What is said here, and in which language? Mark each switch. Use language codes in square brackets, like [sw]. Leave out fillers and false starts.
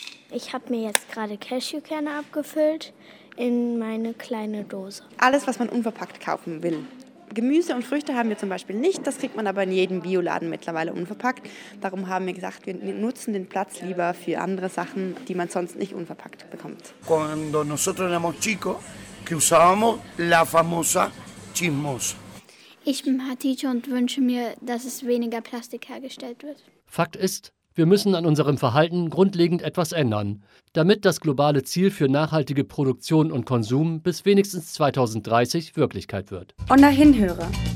[de] Ich habe mir jetzt gerade Cashewkerne abgefüllt in meine kleine Dose. Alles, was man unverpackt kaufen will. Gemüse und Früchte haben wir zum Beispiel nicht, das kriegt man aber in jedem Bioladen mittlerweile unverpackt. Darum haben wir gesagt, wir nutzen den Platz lieber für andere Sachen, die man sonst nicht unverpackt bekommt. [es] Cuando nosotros éramos chicos, que usábamos la famosa chismosa. [de] Ich bin Hatice und wünsche mir, dass es weniger Plastik hergestellt wird. Fakt ist, wir müssen an unserem Verhalten grundlegend etwas ändern, damit das globale Ziel für nachhaltige Produktion und Konsum bis wenigstens 2030 Wirklichkeit wird. Und dahin höre.